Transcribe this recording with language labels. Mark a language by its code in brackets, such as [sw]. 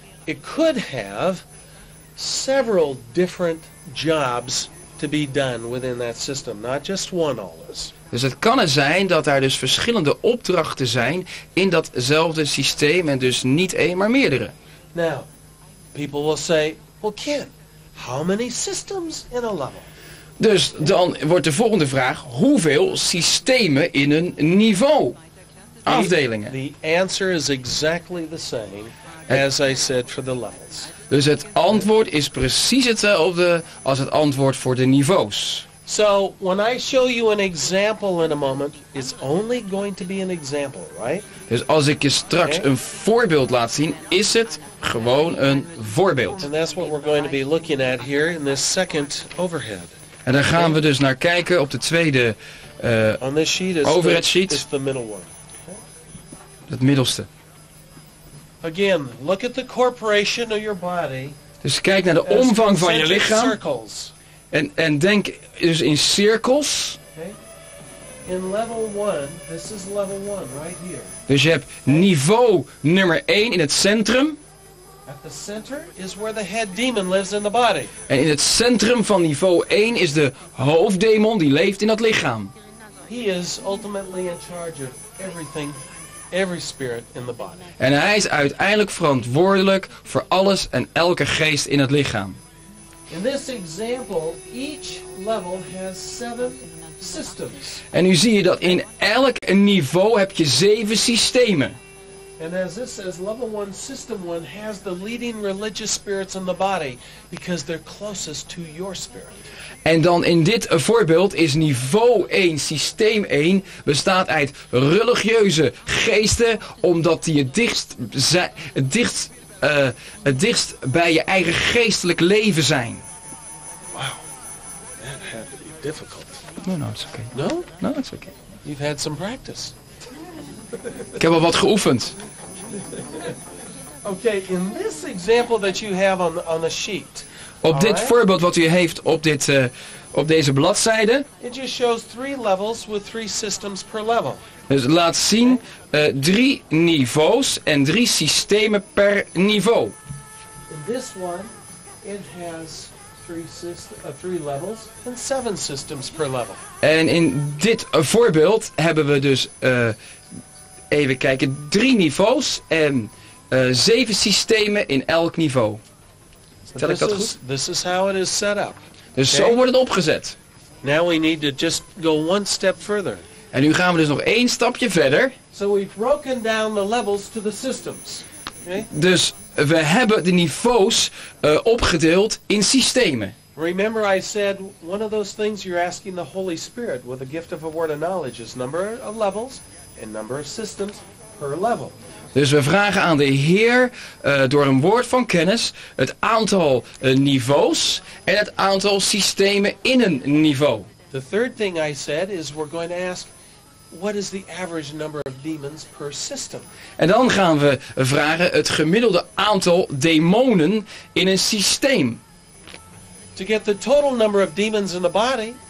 [en] It could have several different jobs to be done within that system, not just one always. [nl] Dus het kan er zijn dat daar dus verschillende opdrachten zijn in datzelfde systeem en dus niet één maar meerdere. [en] Now, people will say, well, Ken, how many systems in a level? [nl] Dus dan wordt de volgende vraag, hoeveel systemen in een niveau? Afdelingen. [en] The answer is exactly the same as I said for the levels. [nl] Dus het antwoord is precies hetzelfde als het antwoord voor de niveaus. [en] So, when I show you an example in a moment, it's only going to be an example, right? [nl] Dus als ik je straks een voorbeeld laat zien, is het gewoon een voorbeeld. [en] And that's what we're going to be looking at here in this second overhead. [nl] En daar gaan we dus naar kijken op de tweede overhead sheet. [en] Is the middle one. [nl] Het middelste. [en] Again, look at the corporation of your body. [nl] Dus kijk naar de omvang van je lichaam. [en] Circles. [nl] En denk dus in cirkels. [en] Okay. In level 1, this is level 1 right here. [nl] Dus je hebt niveau nummer 1 in het centrum. [en] At the center is where the head demon lives in the body. [nl] En in het centrum van niveau 1 is de hoofddemon die leeft in dat lichaam. [en] He is ultimately in charge of everything. Every spirit in the body. [nl] En hij is uiteindelijk verantwoordelijk voor alles en elke geest in het lichaam. [en] In this example, each level has 7 systems. [nl] En nu zie je dat in elk niveau heb je 7 systemen. [en] And as this says, level 1, system 1 has the leading religious spirits in the body because they're closest to your spirit. [nl] En dan in dit voorbeeld is niveau 1, systeem 1, bestaat uit religieuze geesten, omdat die het dichtst bij je eigen geestelijk leven zijn. [en] Wow, that had to be difficult. No, it's okay. No? No, it's okay. You've had some practice. [nl] Ik heb al wat geoefend. [en] Okay, in this example that you have on the sheet. [nl] Op dit voorbeeld wat u heeft op deze bladzijde. [en] It just shows 3 levels with 3 systems per level. [nl] Dus laat zien 3 niveaus en 3 systemen per niveau. [en] In this one it has 3 levels and 7 systems per level. [nl] En in dit voorbeeld hebben we dus even kijken, 3 niveaus en 7 systemen in elk niveau. Stel ik dat goed? [en] This is how it is set up. [nl] Dus zo wordt het opgezet. [en] Now we need to just go one step further. [nl] En nu gaan we dus nog 1 stapje verder. [en] So we've broken down the levels to the systems. Okay? [nl] Dus we hebben de niveaus opgedeeld in systemen. [en] Remember I said one of those things you're asking the Holy Spirit with the gift of a word of knowledge is number of levels. And number of systems per level. [nl] Dus we vragen aan de Heer door een woord van kennis het aantal niveaus en het aantal systemen in een niveau. [en] The third thing I said is we're going to ask what is the average number of demons per system. [nl] En dan gaan we vragen het gemiddelde aantal demonen in een systeem. [en] To get the total number of demons in the body.